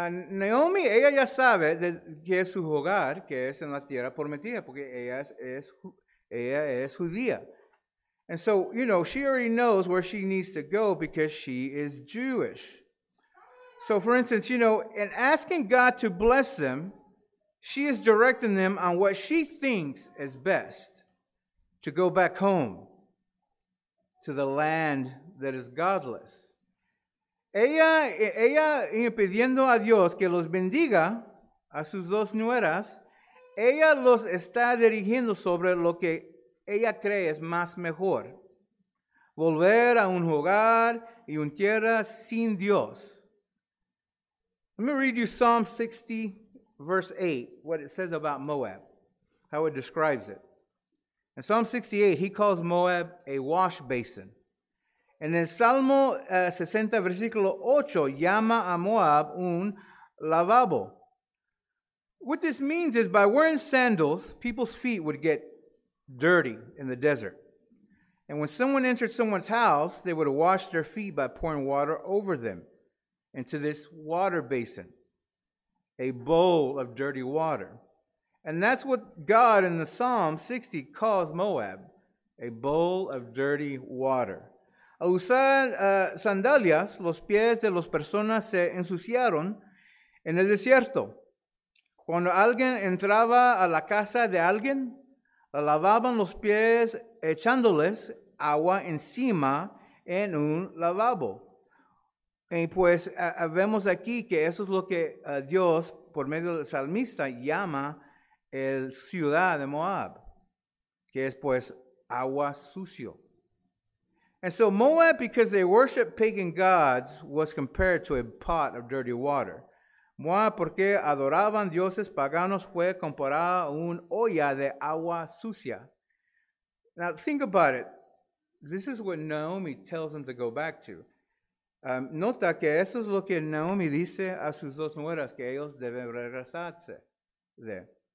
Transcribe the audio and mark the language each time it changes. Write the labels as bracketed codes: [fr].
[es] Naomi, ella ya sabe que es su hogar, que es en la tierra prometida, porque ella es judía. [en] And so, you know, she already knows where she needs to go because she is Jewish. So, for instance, you know, in asking God to bless them, she is directing them on what she thinks is best, to go back home to the land that is godless. [es] Ella pidiendo a Dios que los bendiga a sus dos nueras, ella los está dirigiendo sobre lo que ella cree es más mejor. Volver a un hogar y un tierra sin Dios. [en] Let me read you Psalm 60, verse 8, what it says about Moab, how it describes it. In Psalm 68, he calls Moab a wash basin. [es] En el Salmo 60, versículo 8, llama a Moab un lavabo. [en] What this means is by wearing sandals, people's feet would get dirty in the desert. And when someone entered someone's house, they would wash their feet by pouring water over them into this water basin, a bowl of dirty water. And that's what God in the Psalm 60 calls Moab, a bowl of dirty water. [es] Al usar sandalias, los pies de las personas se ensuciaron en el desierto. Cuando alguien entraba a la casa de alguien, la lavaban los pies echándoles agua encima en un lavabo. Y pues vemos aquí que eso es lo que Dios, por medio del salmista, llama el ciudad de Moab, que es pues agua sucio. [en] And so Moab, because they worship pagan gods, was compared to a pot of dirty water. [es] Moab, porque adoraban dioses paganos, fue comparada a un olla de agua sucia. [en] Now think about it. This is what Naomi tells them to go back to. [es] Nota que eso es lo que Naomi dice a sus dos nueras, que ellos deben regresarse de.